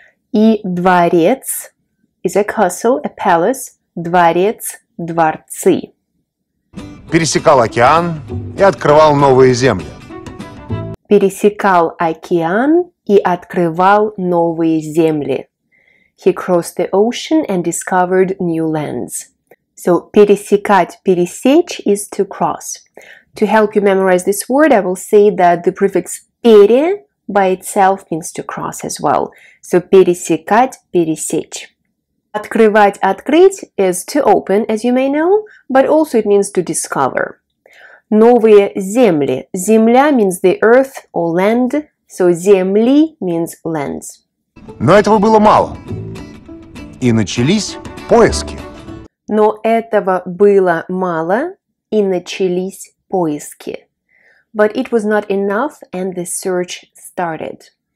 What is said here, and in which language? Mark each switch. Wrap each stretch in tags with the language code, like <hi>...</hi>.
<en>И дворец is a castle, a palace, дворец, дворцы.</en> <ru>Пересекал океан и открывал новые земли. Пересекал океан и открывал новые земли.</ru> <en>He crossed the ocean and discovered new lands. So, пересекать, пересечь is to cross. To help you memorize this word, I will say that the prefix пере by itself means to cross as well.</en> <ru>So, пересекать, пересечь.</ru> <en>Открывать, открыть is to open, as you may know, but also it means to discover.</en> <ru>Новые земли.</ru> <en>Земля means the earth or land. So, земли means lands.</en> <ru>Но этого было мало. И начались поиски. Но этого было мало, и начались поиски.</ru> <en>But it was not enough, and the search started.</en>